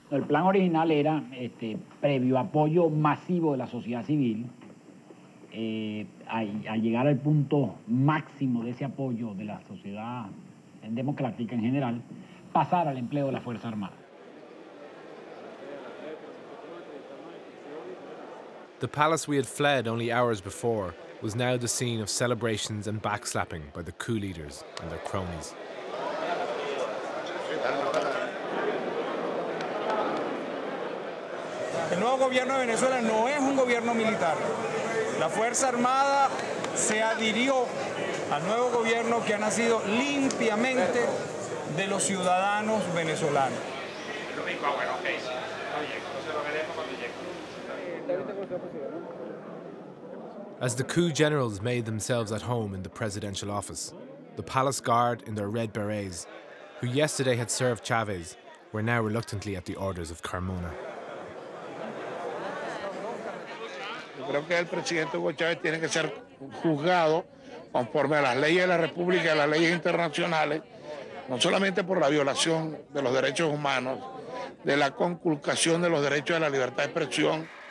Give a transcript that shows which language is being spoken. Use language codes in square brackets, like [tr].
[es] El plan original era, previo apoyo masivo de la sociedad civil, al llegar al punto máximo de ese apoyo de la sociedad democrática en general, pasar al empleo de la Fuerza Armada. [en] The palace we had fled only hours before was now the scene of celebrations and backslapping by the coup leaders and their cronies. [es] El nuevo gobierno de Venezuela no es un gobierno militar. La Fuerza Armada se adhirió al nuevo gobierno que ha nacido limpiamente de los ciudadanos venezolanos. [en] As the coup generals made themselves at home in the presidential office, the palace guard in their red berets, who yesterday had served Chavez, were now reluctantly at the orders of Carmona. [es] Creo que el presidente Hugo Chávez tiene que ser juzgado conforme a las leyes de la República y las leyes internacionales, no solamente por la violación de los derechos humanos, de la conculcación de los derechos de la libertad de expresión.